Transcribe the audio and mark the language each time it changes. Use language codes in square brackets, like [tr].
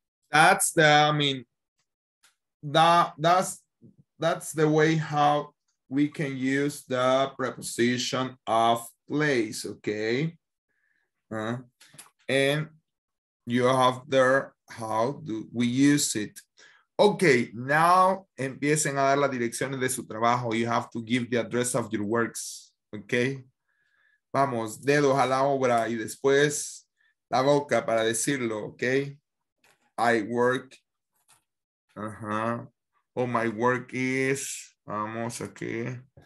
[en] That's the, I mean, that's the way how we can use the preposition of place, okay? And you have there how do we use it. [es] Okay, now empiecen a dar las direcciones de su trabajo. [en] You have to give the address of your works, okay? [es] Vamos, dedos a la obra y después la boca para decirlo, okay? [en] I work, Oh, my work is, [es] vamos aquí.